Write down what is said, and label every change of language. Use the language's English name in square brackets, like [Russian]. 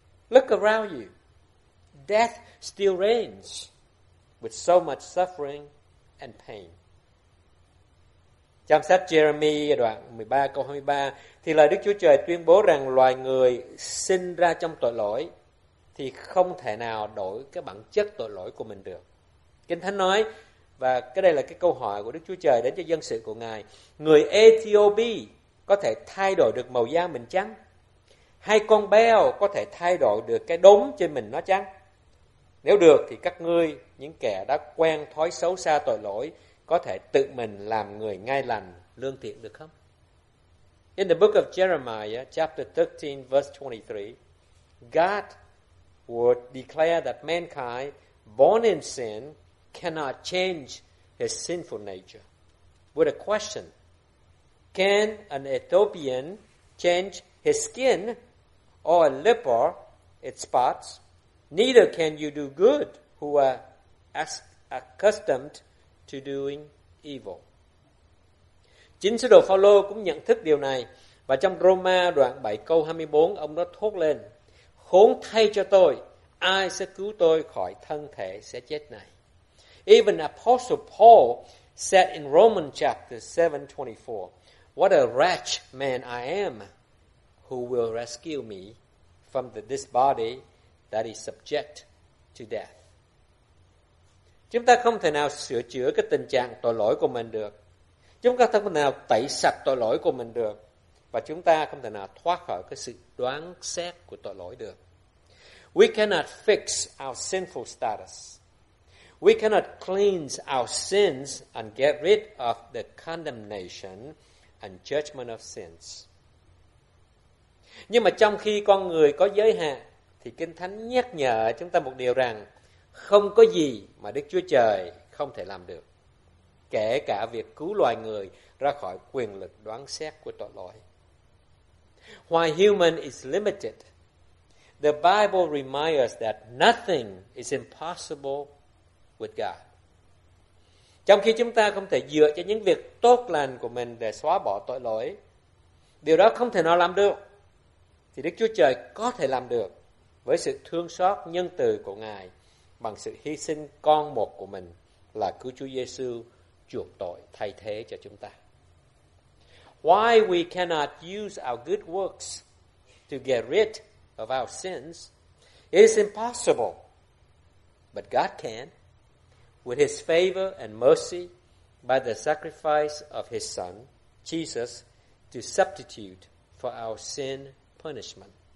[English] Look around you. Death still reigns with so much suffering and pain. [Vietnamese] Trong sách Jeremy đoạn 13 câu 23 thì lời Đức Chúa Trời tuyên bố rằng loài người sinh ra trong tội lỗi thì không thể nào đổi cái bản chất tội lỗi của mình được. Kinh Thánh nói, và cái đây là cái câu hỏi của Đức Chúa Trời đến cho dân sự của Ngài, người Ethiopia có thể thay đổi được màu da mình trắng? Hay con beo có thể thay đổi được cái đốm trên mình nó trắng? Nếu được thì các ngươi, những kẻ đã quen thói xấu xa tội lỗi, có thể tự mình làm người ngay lành, lương thiện được không? [English] In the book of Jeremiah, chapter 13, verse 23, God would declare that mankind, born in sin, cannot change his sinful nature. With a question, can an Ethiopian change his skin or a leper its spots? Neither can you do good who are accustomed to doing evil. [Vietnamese] Chính sứ đồ Phaolô cũng nhận thức điều này, và trong Roma đoạn 7 câu 24 ông đã thốt lên: khốn thay cho tôi, ai sẽ cứu tôi khỏi thân thể sẽ chết này? [English] Even Apostle Paul said in Romans chapter 7:24, what a wretch man I am, who will rescue me from this body that is subject to death? [Vietnamese] Chúng ta không thể nào sửa chữa cái tình trạng tội lỗi của mình được. Chúng ta không thể nào tẩy sạch tội lỗi của mình được. Và chúng ta không thể nào thoát khỏi cái sự đoán xét của tội lỗi được. [English] We cannot fix our sinful status. We cannot cleanse our sins and get rid of the condemnation and judgment of sins. [Vietnamese] Nhưng mà trong khi con người có giới hạn, thì Kinh Thánh nhắc nhở chúng ta một điều rằng không có gì mà Đức Chúa Trời không thể làm được, kể cả việc cứu loài người ra khỏi quyền lực đoán xét của tội lỗi. [English] While human is limited, the Bible reminds us that nothing is impossible with God. [Vietnamese] Trong khi chúng ta không thể dựa cho những việc tốt lành của mình để xóa bỏ tội lỗi, điều đó không thể nào làm được, thì Đức Chúa Trời có thể làm được với sự thương xót nhân từ của Ngài bằng sự hy sinh con một của mình là cứu Chúa Giêsu chuộc tội thay thế cho chúng ta. [English] Why we cannot use our good works to get rid of our sins is impossible. But God can, with his favor and mercy, by the sacrifice of his son, Jesus, to substitute for our sin punishment.